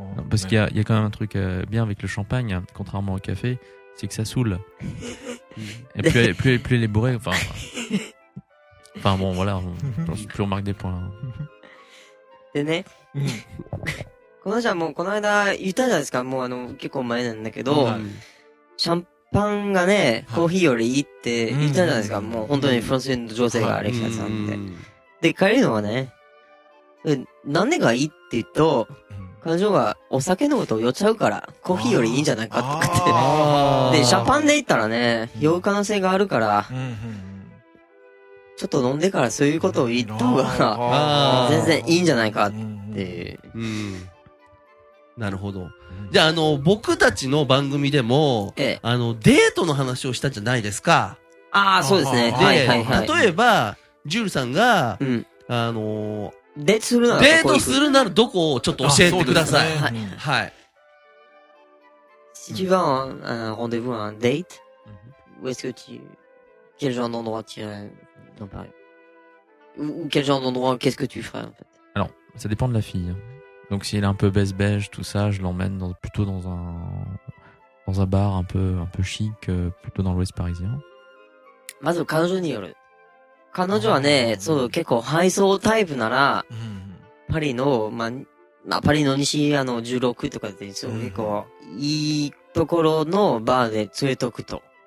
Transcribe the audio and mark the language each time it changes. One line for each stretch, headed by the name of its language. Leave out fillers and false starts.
French: Parce qu'il y a quand même un truc bien avec le champagne, contrairement au café, c'est que ça saoule. Et plus elle est bourrée, enfin bon, voilà, plus on marque des points.
Japanese: でね、この人はもうこの間言ったじゃないですか、もう結構前なんだけど、シャンパンがね、コーヒーよりいいって言ったじゃないですか、もう本当にフランス人の女性がアレキサさんって。で、帰るのはね、何でがいいって言うと、彼女がお酒飲むと酔っちゃうから、コーヒーよりいいんじゃないかって言って。で、シャパンで行ったらね、酔う可能性があるから、ちょっと飲んでからそういうことを言った方が、全然いいんじゃないかって。なるほど。じゃあ、僕たちの番組でも、デートの話をしたじゃないですか。ああ、そうですね。はいはいはい。例えば、ジュールさんが、デートするならどこ？デートするならどこをちょっと教えてください。ね、はい。はい。
French: Si tu vas à un rendez-vous, un date, où est-ce que tu, quel genre d'endroit tu irais? dans Paris? Ou quel genre d'endroit, qu'est-ce que tu ferais en fait? Alors, ça dépend de la fille. Donc si elle est un peu baisse-beige, tout ça, je l'emmène dans, plutôt dans un bar un peu chic, plutôt dans l'ouest parisien. Mais c'est quand même le
Japanese: 彼女はね、そう、結構、配送タイプなら、パリの、まあ、パリの西、16とかで、そう、結構、いいところのバーで連れとくと。